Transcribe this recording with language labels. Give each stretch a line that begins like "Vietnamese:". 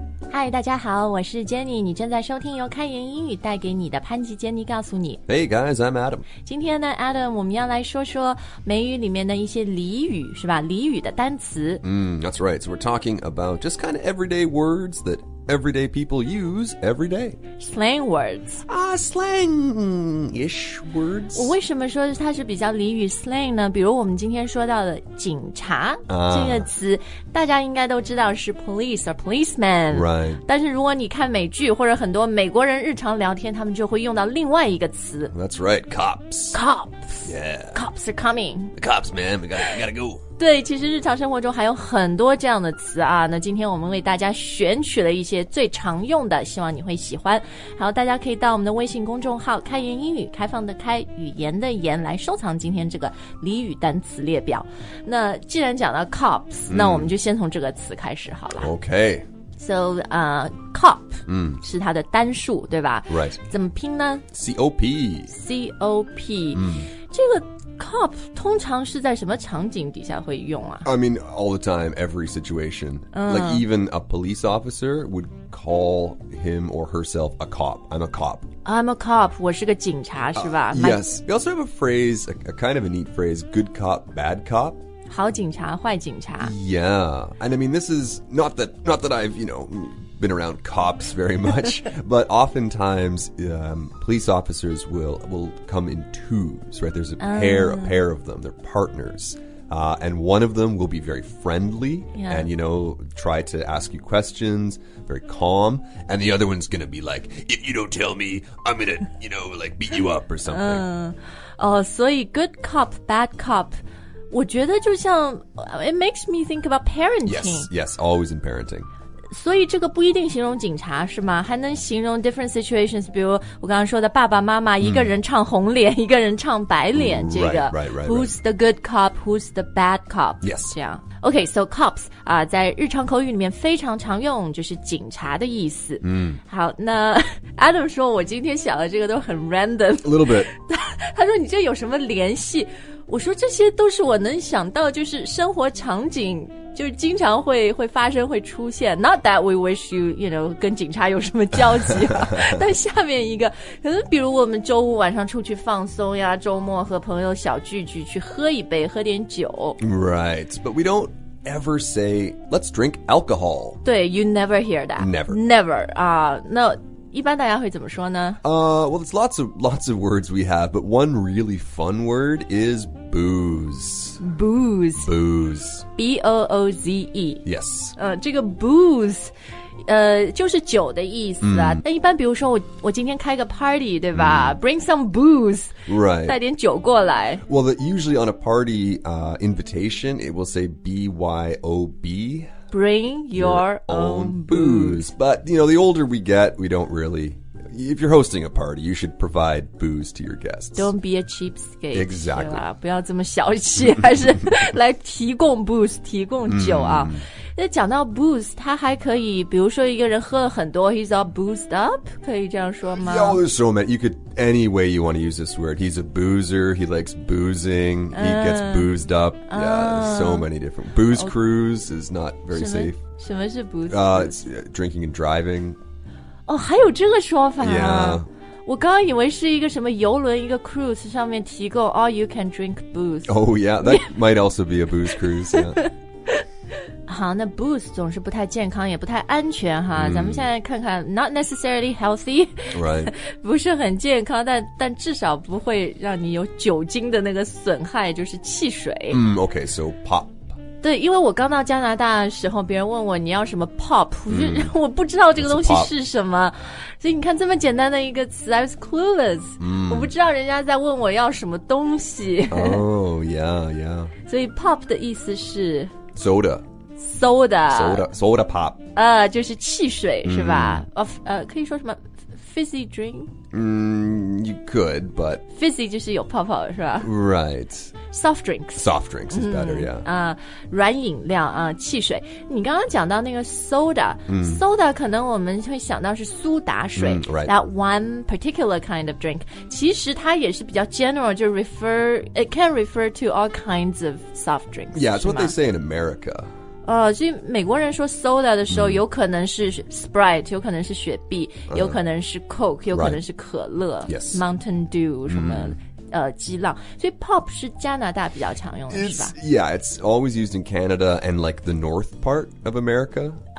Chinese: 嗨，大家好，我是 Jenny， 你正在收听由开言英语带给你的潘吉 Jenny 告诉你。
English: Hey guys, I'm Adam.
Chinese: 今天呢 ,Adam, 我们要来说说美语里面的一些俚语，是吧？俚语的单词。
English: That's right, so we're talking about just kind of everyday words that everyday people use every day. Slang words. Slang-ish words.
Chinese: 我为什么说它是比较俚语 slang 呢？比如我们今天说到的警察这个词，大家应该都知道是 police or policeman.
English: Right.
Chinese: 但是如果你看美剧或者很多美国人日常聊天，他们就会用到另外一个词。
English: That's right, cops. Cops. Yeah. Cops are coming. The cops, man. We gotta go.
Chinese: 对，其实日常生活中还有很多这样的词啊。那今天我们为大家选取了一些最常用的，希望你会喜欢。好，大家可以到我们的微信公众号开言英语，开放的开，语言的言，来收藏今天这个俚语单词列表。那既然讲到 cops,、那我们就先从这个词开始好了。
English: OK.
Chinese: So, cop、是它的单数，对吧？
English: Right.
Chinese: 怎么拼呢？
English: C-O-P.
Chinese: C-O-P.、这个Cop 通常是在什么场景底下会用啊
English: I mean, all the time, every situation.、Like, even a police officer would call him or herself a cop. I'm a cop.
Chinese: 我是个警察是吧、
English: Yes. We also have a phrase, a kind of a neat phrase, good cop, bad cop.
Chinese: 好警察坏警察
English: Yeah. And I mean, this is not that I've, you know... been around cops very much, but oftentimes、police officers will come in twos, right? There's a pair of them, they're partners,、and one of them will be very friendly、and, you know, try to ask you questions, very calm, and the other one's gonna be like, if you don't tell me, I'm gonna, you know, like, beat you up or something. So good cop, bad cop.
Chinese: 我觉得就像
English: it makes me think about parenting. Yes, always in parenting.
Chinese: 所以这个不一定形容警察是吗？还能形容
English: different situations，
Chinese: 比如我刚刚说的爸爸妈妈，一个人唱红脸，一个人唱白脸，这个
English: right. Who's the good cop? Who's the bad cop? Yes，
Chinese: 这样。 OK， so cops 啊，在日常口语里面非常常用，就是警察的意思。好，那 Adam 说我今天想的这个都很 random，
English: a little bit。
Chinese: 他说你这有什么联系？我说这些都是我能想到，就是生活场景。就是经常会发生会出现
English: Not that we wish you, you know,
Chinese: 跟警察有什么交集、但下面一个可能比如我们周五晚上出去放松呀周末和朋友小聚聚去喝一杯喝点酒
English: Right, but we don't ever say Let's drink alcohol 对 you never hear that Never
Chinese: 啊、那一般大家会怎么说呢
English: Well, there's lots of words we have But one really fun word is booze Booze. B-O-O-Z-E. Yes.
Chinese: 这个 booze, 就是酒的意思啊。那一般比如说我今天开个 party, 对吧
English: Bring some booze. Right.
Chinese: 带点酒过来。
English: Well, usually on a party, invitation, it will say B-Y-O-B. Bring your own booze. But, you know, the older we get, we don't really... If you're hosting a party, you should provide booze to your guests. Don't be a cheapskate. Exactly.
Chinese: 不要这么小气，还是来提供 booze, 提供酒啊。那讲到 booze, 它还可以，比如说一个人喝了很多
English: he's all boozed up,
Chinese: 可以这样说吗？
English: Yeah, there's so many. You could, any way you want to use this word. He's a boozer, he likes boozing, he gets boozed up. Yeah, so many different. Booze cruise is not very safe.
Chinese: 什么是 booze
English: cruise? It's drinking and driving.
Chinese: 哦，还有这个说法啊！
English: Yeah.
Chinese: 我刚刚以为是一个什么游轮，一个 cruise 上面提供
English: all you can drink booze. Oh yeah, that might also be a booze cruise. Yeah.
Chinese: 好，那 booze 总是不太健康，也不太安全哈。咱们现在看看 ，
English: not necessarily healthy, right?
Chinese: 不是很健康，但至少不会让你有酒精的那个损害，就是汽水。
English: Okay, so pop.
Chinese: 对，因为我刚到加拿大的时候，别人问我你要什么 pop， 我不知道这个东西是什么，所以你看这么简单的一个词 ，
English: I was clueless，、
Chinese: 我不知道人家在问我要什么东西。
English: Oh, yeah.
Chinese: 所以 pop 的意思是
English: soda。 Soda pop.
Chinese: 就是汽水是吧？可以说什么
English: fizzy drink? You could, but...
Chinese: Fizzy 就是有泡泡是吧
English: Right. Soft drinks. Soft drinks is better, yeah.
Chinese: 软饮料啊、汽水。你刚刚讲到那个 soda,、soda 可能我们会想到是苏打水、
English: right. That one particular kind of drink.
Chinese: 其实它也是比较
English: general, 就 refer, it can refer to all kinds of soft drinks. Yeah, it's what they say in America.
Chinese: 所以美国人说 soda 的时候、有可能是 Sprite, 有可能是雪碧、有可能是 Coke, 有可能是可乐、 yes. Mountain Dew 什么、激浪。所以 pop 是加拿大比较常用的是吧
English: Yeah, it's always used in Canada and like the north part of America.